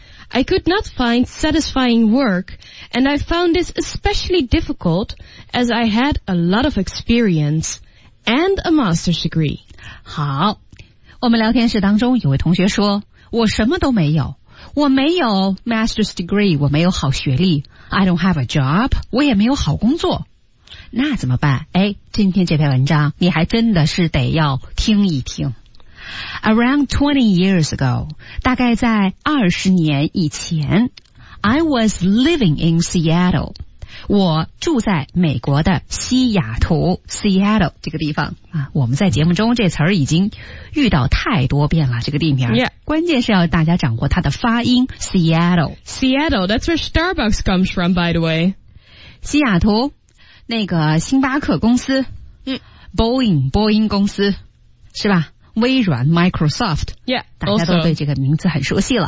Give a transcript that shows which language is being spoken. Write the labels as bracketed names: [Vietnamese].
[English] I could not find satisfying work and I found this especially difficult as I had a lot of experience and a master's degree. [Chinese] 好，我们聊天室当中有位同学说，我什么都没有。我没有 master's degree, 我没有好学历。 [English] I don't have a job, [Chinese] 我也没有好工作。那怎么办？哎，今天这篇文章你还真的是得要听一听。 [English] Around 20 years ago, [Chinese] 大概在20年以前， [English] I was living in Seattle. [Chinese] 我住在美国的西雅图 Seattle 这个地方。啊，我们在节目中这词儿已经遇到太多遍了，这个地名。 [English] Yeah. [Chinese] 关键是要大家掌握它的发音 Seattle. [English] Seattle, that's where Starbucks comes from, by the way. [Chinese] 西雅图那个星巴克公司、嗯、 Boeing, 波音公司是吧，微软 Microsoft. [English] Yeah, [Chinese] 大家都对这个名字很熟悉了。